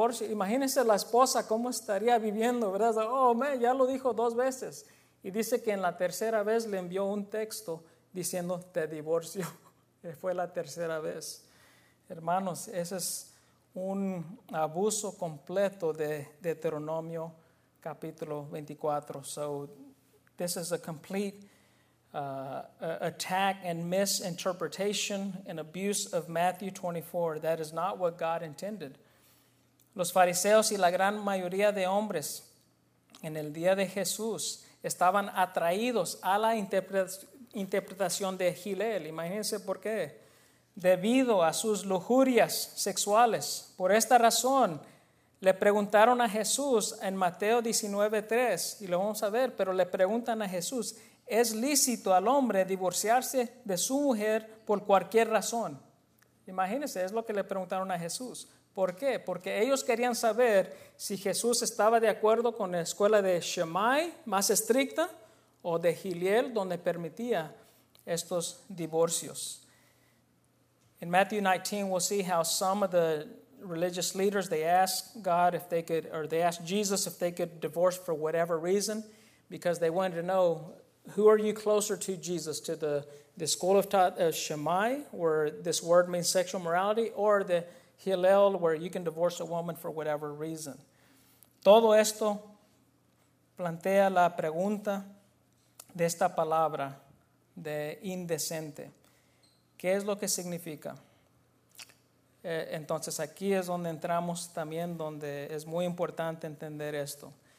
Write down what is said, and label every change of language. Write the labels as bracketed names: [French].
[Spanish] Imagínese la esposa cómo estaría viviendo, ¿verdad? [English] Oh, man, [Spanish] ya lo dijo dos veces. Y dice que en la tercera vez le envió un texto diciendo, te divorcio. Fue la tercera vez. Hermanos, ese es un abuso completo de Deuteronomio capítulo 24. [English] So, this is a complete attack and misinterpretation and abuse of Matthew 24. That is not what God intended. [Spanish] Los fariseos y la gran mayoría de hombres en el día de Jesús estaban atraídos a la interpretación de Gilel. Imagínense por qué. Debido a sus lujurias sexuales. Por esta razón, le preguntaron a Jesús en Mateo 19:3, y lo vamos a ver, pero le preguntan a Jesús, ¿es lícito al hombre divorciarse de su mujer por cualquier razón? Imagínense, es lo que le preguntaron a Jesús. ¿Por qué? Porque ellos querían saber si Jesús estaba de acuerdo con la escuela de Shammai, más estricta, o de Gilel, donde permitía estos divorcios. [English] In Matthew 19, we'll see how some of the religious leaders, they asked God if they could, or they asked Jesus if they could divorce for whatever reason, because they wanted to know, who are you closer to, Jesus, to the school of Shammai, where this word means sexual morality, or the Hillel, where you can divorce a woman for whatever reason. [Spanish] Todo esto plantea la pregunta de esta palabra de indecente. ¿Qué es lo que significa? Entonces aquí es donde entramos también, donde es muy importante entender esto.